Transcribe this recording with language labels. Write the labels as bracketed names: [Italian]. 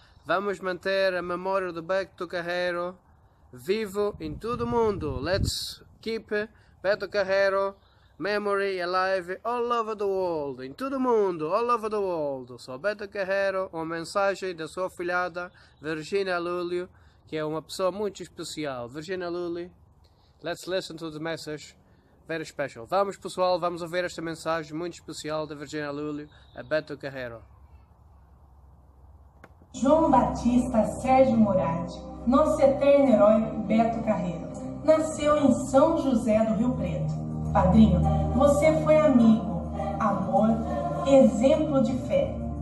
[Portuguese] Vamos manter a memória do Beto Carrero vivo em todo o mundo. [English] Let's keep Beto Carrero. Memory alive all over the world, [Portuguese] em todo mundo, [English] all over the world. [Portuguese] Sou Beto Carrero, uma mensagem da sua filhada Virginia Lully, que é uma pessoa muito especial. [English] Virginia Lully, let's listen to the message, very special. [Portuguese] Vamos, pessoal, vamos ouvir esta mensagem muito especial da Virginia Lully a Beto Carrero. João Batista Sérgio Moradi, nosso eterno herói Beto Carrero, nasceu em São José do Rio Preto. Padrinho, você foi amigo, amor, exemplo de fé.